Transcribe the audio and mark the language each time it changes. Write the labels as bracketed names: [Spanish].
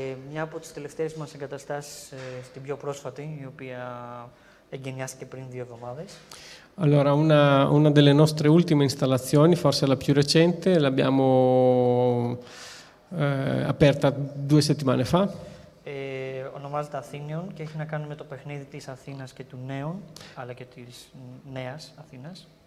[Greek] Μια από τις τελευταίες μας εγκαταστάσεις στην πιο πρόσφατη, η οποία εγκαινιάστηκε πριν δύο εβδομάδες. [Italian] Allora, una delle nostre ultime installazioni, forse la più recente, l'abbiamo aperta due settimane fa. [Greek] Ονομάζεται Athenion και έχει να κάνει με το παιχνίδι της Αθήνας και του Νέων, αλλά και της Νέας Αθήνας.